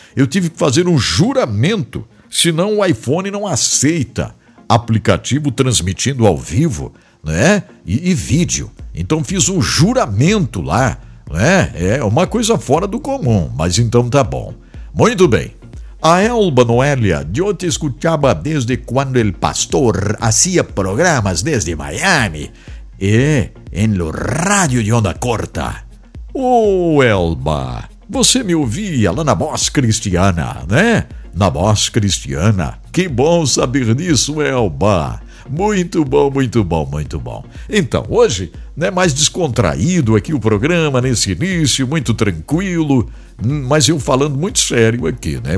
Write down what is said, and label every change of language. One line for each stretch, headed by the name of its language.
Portuguese: Eu tive que fazer um juramento, senão o iPhone não aceita aplicativo transmitindo ao vivo, né, e vídeo. Então fiz um juramento lá, né? É uma coisa fora do comum, mas então tá bom. Muito bem.
Spanish: A Elba Noelia, yo te escuchaba desde cuando el pastor hacía programas desde Miami, en lo radio de onda corta.
Portuguese: Oh, Elba, você me ouvia lá na voz cristiana, né? Na voz cristiana. Que bom saber disso, Elba. Muito bom, muito bom, muito bom. Então, hoje, né, mais descontraído aqui o programa nesse início, muito tranquilo, mas eu falando muito sério aqui, né?